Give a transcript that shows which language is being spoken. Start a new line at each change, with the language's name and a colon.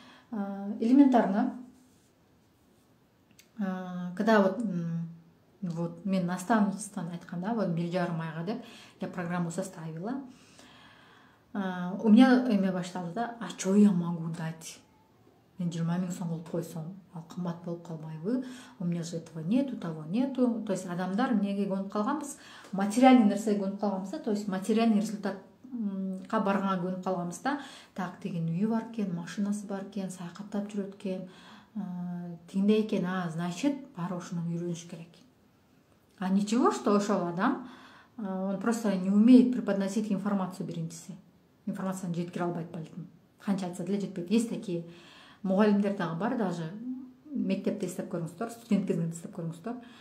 Kyrgyz: Элементарно. Когда вот мен наставницадан айтканда, вот бир жарым айга деп
Russian: я программу составила. У меня
Kyrgyz: эме башталды да,
Russian: а что я могу дать?
Kyrgyz: Мен 20 000 сом болуп койсом, ал кымбат болуп калбайбы?
Russian: У меня же этого нету, того нету.
Kyrgyz: То есть адамдар эмнеге көнүп калганбыз? Материальный нерсеге көнүп калганбыз да, то есть материальный результат барганга көнүп калганбыз да, так деген үйү бар экен, машинасы бар экен, саякаттап жүрөт экен, тигиндей экен, а значит бар ошону үйрөнүш керек.
Russian: А ничего, что ошол адам, он просто не умеет преподносить информацию, биринчиси.
Kyrgyz: Информацияны жеткире албайт балким. Канча айтса деле жетпейт. Есть такие мугалимдер дагы бар, даже мектепте иштеп көрүңүздөр, студент кезинде иштеп көрүңүздөр.